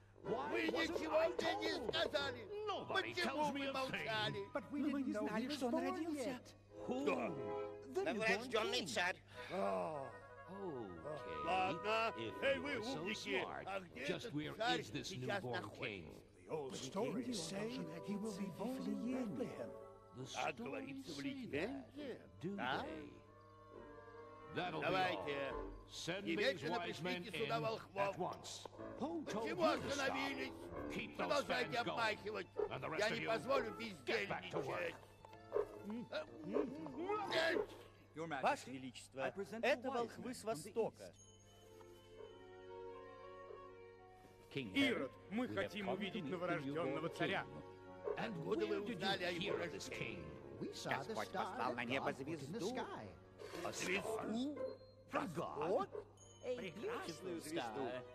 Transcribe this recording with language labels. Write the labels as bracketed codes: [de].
[ru] Вы ничего мне не сказали. Почему вы молчали? Но мы не знали, что он родился. Кто? Новорожденный царь. Ладно. Эй, вы умники. А где этот царь сейчас находится? [en] The story says that he will be born in Bethlehem. The story says that, do they? That'll be all. Send these wise men in at once. Who told you to stop? Keep those fans going. And the rest of you, get back to work. Your Majesty, I present the wise men from the east. [ru] Ирод, мы хотим увидеть новорожденного царя. Откуда вы узнали о его рождении? Господь послал на небо звезду. Звезду? Господь? Прекрасную звезду.